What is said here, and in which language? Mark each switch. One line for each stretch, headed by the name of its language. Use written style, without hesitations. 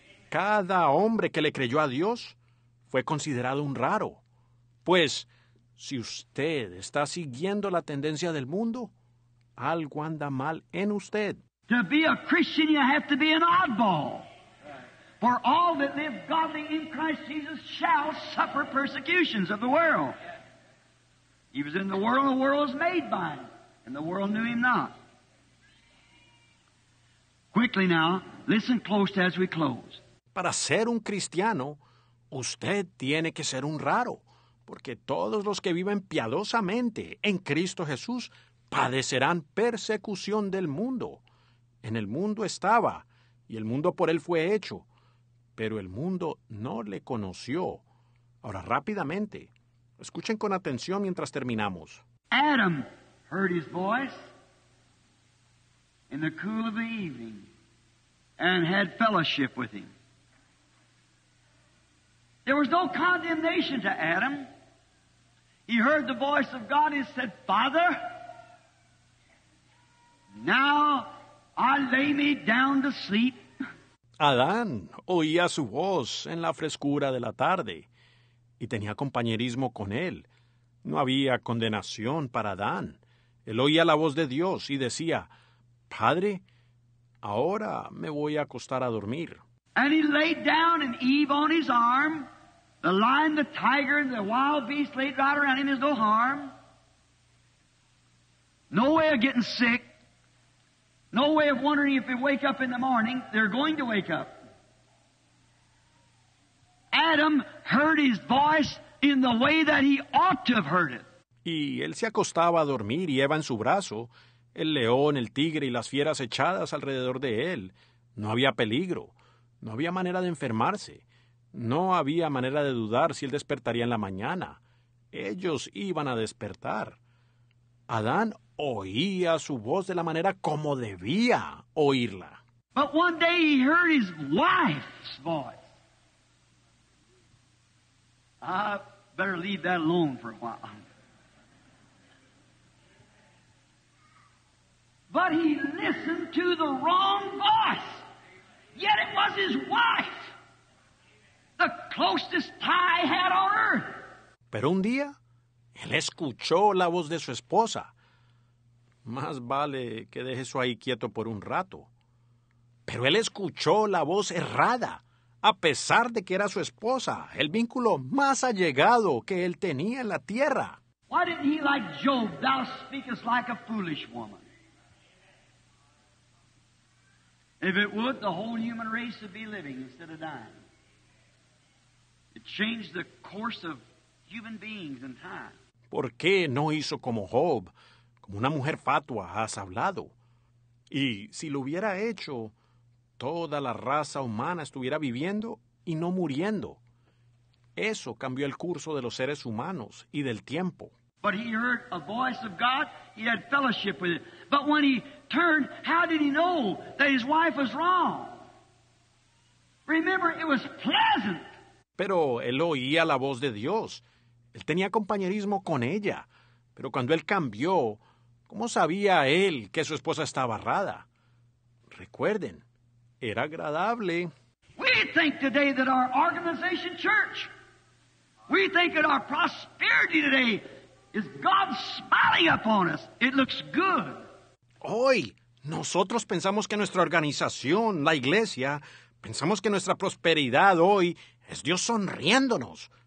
Spanish: Cada hombre que le creyó a Dios fue considerado un raro. Pues, si usted está siguiendo la tendencia del mundo, algo anda mal en usted.
English: To be a Christian, you have to be an oddball. For all that live godly in Christ Jesus shall suffer persecutions of the world. He was in the world was made by him, and the world knew him not. Quickly now, listen close as we close.
Spanish: Para ser un cristiano, usted tiene que ser un raro, porque todos los que viven piadosamente en Cristo Jesús padecerán persecución del mundo. En el mundo estaba, y el mundo por él fue hecho, pero el mundo no le conoció. Ahora, rápidamente, escuchen con atención mientras terminamos.
English: Adam heard his voice in the cool of the evening, and had fellowship with him. There was no condemnation to Adam. He heard the voice of God and said, Father, now I lay me down to sleep.
Spanish: Adán oía su voz en la frescura de la tarde y tenía compañerismo con él. No había condenación para Adán. Él oía la voz de Dios y decía, Padre, ahora me voy a acostar a dormir.
English: And he laid down and Eve on his arm. The lion, the tiger, and the wild beast laid right around him. There's no harm. No way of getting sick. No way of wondering if they wake up in the morning. They're going to wake up. Adam heard his voice in the way that he ought to have heard it.
Spanish: Y él se acostaba a dormir y Eva en su brazo. El león, el tigre y las fieras echadas alrededor de él, No había peligro. No había manera de enfermarse. No había manera de dudar si él despertaría en la mañana. Ellos iban a despertar. Adán oía su voz de la manera como debía oírla.
English: But one day he heard his wife's voice. I better leave that alone for a while. But he listened to the wrong voice. Yet it was his wife. The closest tie had on earth.
Spanish: Pero un día, él escuchó la voz de su esposa. Más vale que deje eso ahí quieto por un rato. Pero él escuchó la voz errada, a pesar de que era su esposa, el vínculo más allegado que él tenía en la tierra.
English: Why didn't he like Job, thou speakest like a foolish woman? If it would, the whole human race would be living instead of dying. It changed the course of human beings and time.
Spanish: ¿Por qué no hizo como Job, como una mujer fatua has hablado? Y si lo hubiera hecho, toda la raza humana estuviera viviendo y no muriendo. Eso cambió el curso de los seres humanos y del tiempo.
English: But he heard a voice of God. He had fellowship with it. But when he turned, how did he know that his wife was wrong? Remember, it was pleasant.
Spanish: Pero él oía la voz de Dios. Él tenía compañerismo con ella. Pero cuando él cambió, ¿cómo sabía él que su esposa estaba errada? Recuerden. Era agradable.
English: We think today that our organization church, we think that our prosperity today is God smiling upon us. It looks good.
Spanish: Hoy, nosotros pensamos que nuestra organización, la iglesia, pensamos que nuestra prosperidad hoy es Dios sonriéndonos.